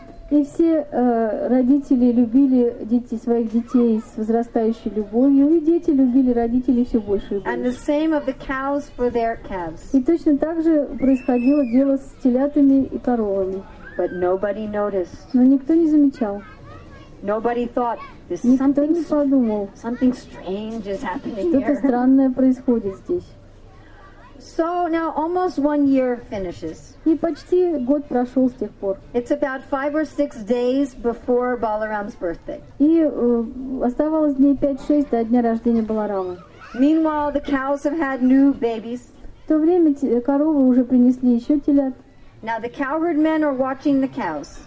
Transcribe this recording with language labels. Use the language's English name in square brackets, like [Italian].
[Russian] И все родители любили дети своих детей с возрастающей любовью, и дети любили родителей все больше и больше. [English] And the same of the cows for their calves. [Russian] И точно так же происходило дело с телятами и коровами. [English] But nobody noticed. [Russian] Но никто не замечал. [English] Nobody thought this [Russian] никто [English] something [Russian] не подумал. [English] Something strange is happening. [Russian] Что-то странное происходит здесь. [English] So now almost 1 year finishes. [Russian] И почти год прошел с тех пор. [English] It's about 5 or 6 days before Balaram's birthday. [Russian] И оставалось дней 5-6 до дня рождения Баларама. [English] Meanwhile, the cows have had new babies. [Russian] В то время коровы уже принесли еще телят. [English] Now the cowherd men are watching the cows.